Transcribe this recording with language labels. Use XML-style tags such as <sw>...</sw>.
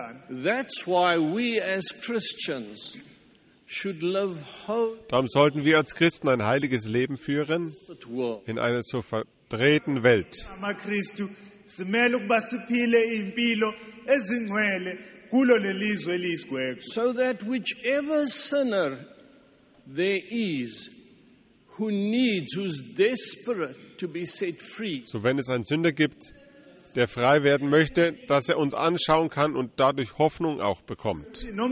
<en>That's why we as Christians should live whole.</en> <de>Darum sollten wir als Christen ein heiliges Leben führen in einer so verdrehten Welt.</de> <en>So that whichever sinner there is who needs, who's desperate to be set free.</en> <de>So wenn es einen Sünder gibt, der frei werden möchte, dass er uns anschauen kann und dadurch Hoffnung auch bekommt.</de>